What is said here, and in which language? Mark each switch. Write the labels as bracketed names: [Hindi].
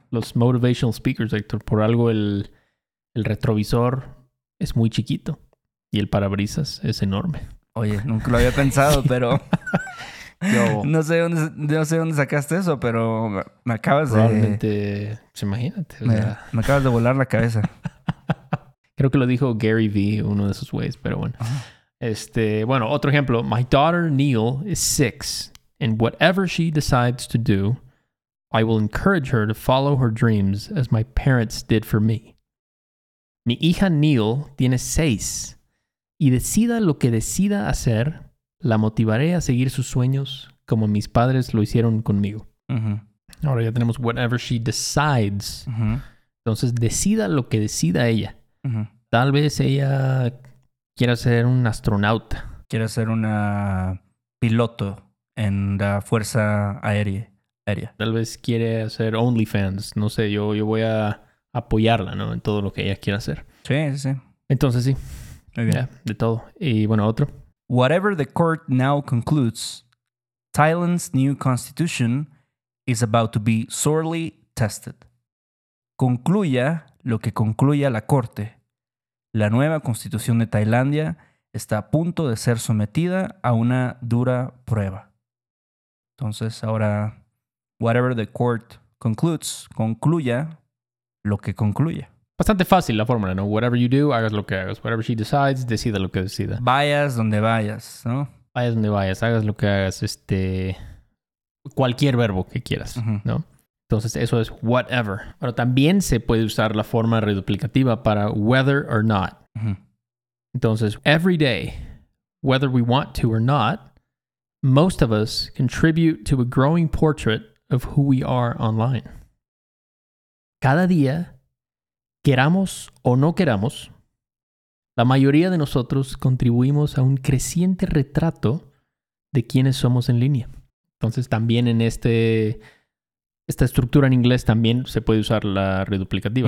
[Spanish] Los [English] motivational speakers, [Spanish] Héctor, por algo el retrovisor es muy chiquito y el parabrisas es enorme. Oye, nunca lo había pensado, pero no sé dónde sacaste eso, pero me acabas probablemente, pues imagínate. Me acabas de volar la cabeza. Creo que lo dijo Gary Vee, uno de esos güeyes, pero bueno. Uh-huh. Bueno, otro ejemplo. [English] My daughter Neil is 6 and whatever she decides to do, I will encourage her to follow her dreams as my parents did for me. [Spanish] Mi hija Neil tiene 6 y decida lo que decida hacer, la motivaré a seguir sus sueños como mis padres lo hicieron conmigo. Uh-huh. Ahora ya tenemos [English] whatever she decides. Uh-huh. [Spanish] Entonces, decida lo que decida ella. Uh-huh. Tal vez ella quiera ser un astronauta. Quiera ser una piloto en la Fuerza Aérea. Tal vez quiere hacer OnlyFans. No sé, yo voy a apoyarla, ¿no? En todo lo que ella quiera hacer. Sí, sí, sí. Entonces, sí. Muy bien. Yeah, de todo. Y bueno, otro. [English] Whatever the court now concludes, Thailand's new constitution is about to be sorely tested. [Spanish] Concluya lo que concluya la corte. La nueva constitución de Tailandia está a punto de ser sometida a una dura prueba. Entonces, ahora, [English] whatever the court concludes, [Spanish] concluya lo que concluya. Bastante fácil la fórmula, ¿no? [English] Whatever you do, [Spanish] hagas lo que hagas. [English] Whatever she decides, [Spanish] decida lo que decida. Vayas donde vayas, ¿no? Vayas donde vayas, hagas lo que hagas, cualquier verbo que quieras, uh-huh. ¿no? Entonces, eso es whatever. Pero también se puede usar la forma reduplicativa para [English] whether or not. Uh-huh. [Spanish] Entonces, [English] every day, whether we want to or not, most of us contribute to a growing portrait of who we are online. [Spanish] Cada día, queramos o no queramos, la mayoría de nosotros contribuimos a un creciente retrato de quiénes somos en línea. Entonces, también en esta estructura en inglés también se puede usar la reduplicativa.